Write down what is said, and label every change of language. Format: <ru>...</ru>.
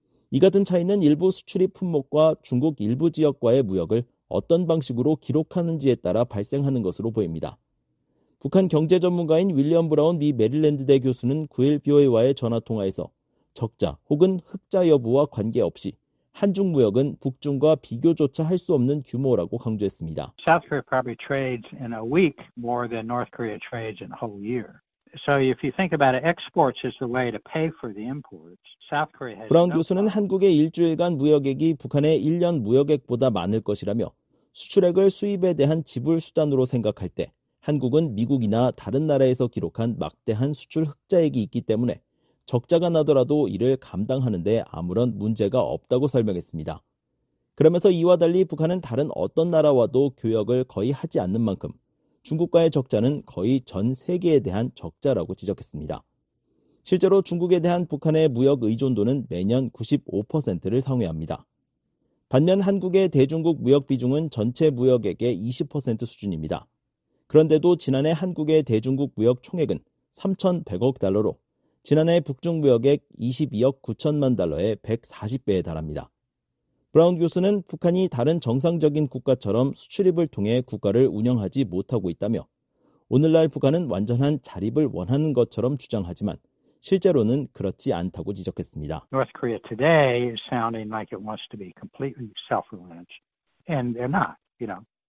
<ko>이 같은 차이는 일부 수출입 품목과 중국 일부 지역과의 무역을 어떤 방식으로 기록하는지에 따라 발생하는 것으로 보입니다. 북한 경제 전문가인 윌리엄 브라운 미 메릴랜드대 교수는 9일 BOA와의 전화통화에서 적자 혹은 흑자 여부와 관계없이 한중 무역은 북중과 비교조차 할 수 없는 규모라고 강조했습니다.</ko> <en>South Korea probably trades in a week more than North Korea trades in a whole year. So if you think about it, exports is the way to pay for the imports. South Korea has</en> <ko>브라운 교수는 한국의 일주일간 무역액이 북한의 1년 무역액보다 많을 것이라며 수출액을 수입에 대한 지불 수단으로 생각할 때 한국은 미국이나 다른 나라에서 기록한 막대한 수출 흑자액이 있기 때문에 적자가 나더라도 이를 감당하는 데 아무런 문제가 없다고 설명했습니다. 그러면서 이와 달리 북한은 다른 어떤 나라와도 교역을 거의 하지 않는 만큼 중국과의 적자는 거의 전 세계에 대한 적자라고 지적했습니다. 실제로 중국에 대한 북한의 무역 의존도는 매년 95%를 상회합니다. 반면 한국의 대중국 무역 비중은 전체 무역액의 20% 수준입니다. 그런데도 지난해 한국의 대중국 무역 총액은 3,100억 달러로 지난해 북중 무역액 22억 9천만 달러의 140배에 달합니다. 브라운 교수는 북한이 다른 정상적인 국가처럼 수출입을 통해 국가를 운영하지 못하고 있다며 오늘날 북한은 완전한 자립을 원하는 것처럼 주장하지만 실제로는 그렇지 않다고 지적했습니다.</ko> <en>North Korea today is sounding like it wants to be completely self-reliant, and they're not, you know.</en>